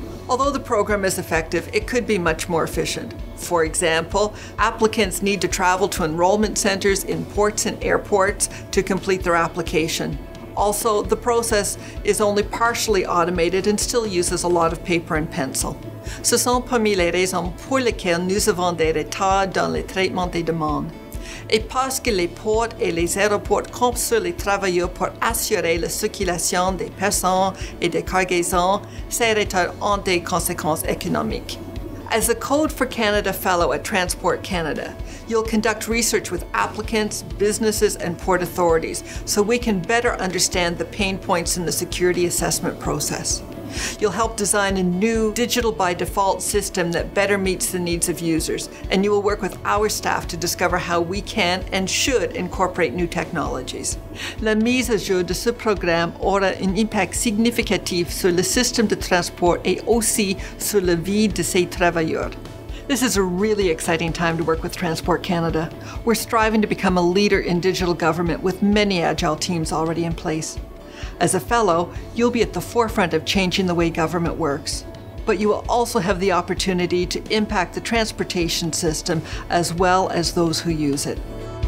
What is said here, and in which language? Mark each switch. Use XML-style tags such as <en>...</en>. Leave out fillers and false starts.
<en>Although the program is effective, it could be much more efficient. For example, applicants need to travel to enrollment centers in ports and airports to complete their application. Also, the process is only partially automated and still uses a lot of paper and pencil.</en> <fr>Ce sont parmi les raisons pour lesquelles nous avons des retards dans le traitement des demandes. Et parce que les ports et les aéroports comptent sur les travailleurs pour assurer la circulation des personnes et des cargaisons, ces retards ont des conséquences économiques.</fr> <en>As a Code for Canada Fellow at Transport Canada, you'll conduct research with applicants, businesses, and port authorities so we can better understand the pain points in the security assessment process. You'll help design a new digital by default system that better meets the needs of users, and you will work with our staff to discover how we can and should incorporate new technologies.</en> <fr>La mise à jour de ce programme aura un impact significatif sur le système de transport et aussi sur la vie de ses travailleurs.</fr> <en>This is a really exciting time to work with Transport Canada. We're striving to become a leader in digital government with many agile teams already in place. As a fellow, you'll be at the forefront of changing the way government works. But you will also have the opportunity to impact the transportation system as well as those who use it.</en>